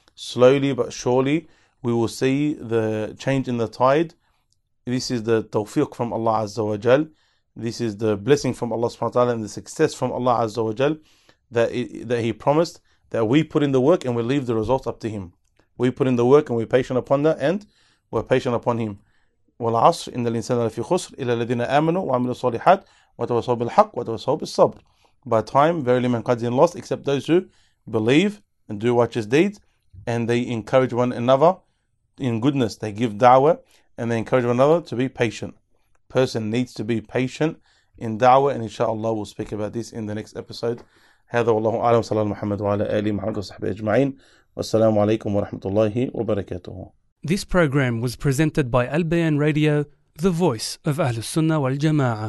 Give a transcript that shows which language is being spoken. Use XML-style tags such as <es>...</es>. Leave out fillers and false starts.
<en>Slowly but surely, we will see the change in the tide. This is the tawfiq from Allah Azza wa Jal. This is the blessing from Allah Subhanahu wa Ta'ala and the success from Allah Azza wa Jal that He promised, that we put in the work and we leave the results up to Him. We put in the work and we're patient upon that, and we're patient upon Him.</en> <ar>والعصر إن الإنسان لفي خسر إلا الذين آمنوا وعملوا الصالحات وتواصوا بالحق وتواصوا بالصبر.</ar> <en>By time, verily mankind is in loss except those who believe and do righteous deeds, and they encourage one another in goodness. They give da'wah and they encourage one another to be patient. Person needs to be patient in da'wah, and inshallah we'll speak about this in the next episode.</en> <ar>هذا والله أعلم صلى الله عليه محمد وعلى آله محمد وصحبه أجمعين والسلام عليكم ورحمة الله وبركاته.</ar> <en>This program was presented by Al Bayan Radio, the voice of Ahlus Sunnah wal Jama'ah.</en>